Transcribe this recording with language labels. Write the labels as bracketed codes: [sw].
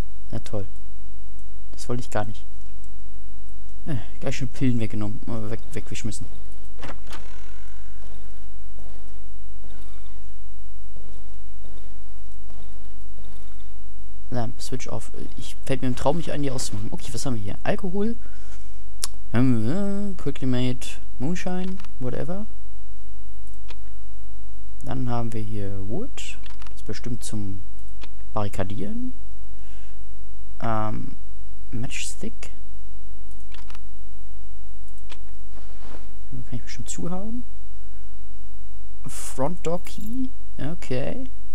[de] Na toll. Das wollte ich gar nicht. Gleich schon Pillen weggenommen. Wegschmissen. [en] Lamp, switch off. [de] Ich fällt mir im Traum nicht ein, die auszumachen. Okay, was haben wir hier? Alkohol. [en] Quickly made Moonshine. Whatever. [de] Dann haben wir hier Wood. Das ist bestimmt zum Barrikadieren. [en] Matchstick. [de] Da kann ich bestimmt zuhauen. [en] Front Door Key. [de] Okay.